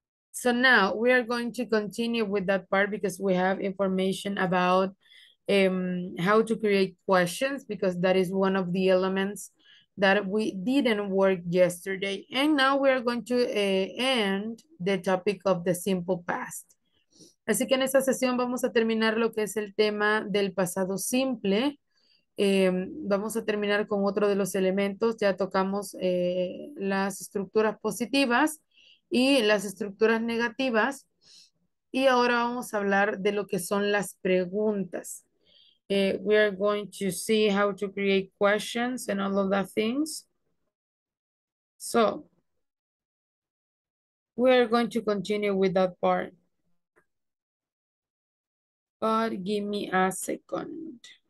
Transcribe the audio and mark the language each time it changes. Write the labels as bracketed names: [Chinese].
[English] So now we are going to continue with that part, because we have information about how to create questions, because that is one of the elements that we didn't work yesterday. And now we are going to end the topic of the simple past. [Spanish] Así que en esta sesión vamos a terminar lo que es el tema del pasado simple. Vamos a terminar con otro de los elementos. Ya tocamos las estructuras positivas y las estructuras negativas. Y ahora vamos a hablar de lo que son las preguntas. [English] We are going to see how to create questions and all of the things. So, we are going to continue with that part. But give me a second.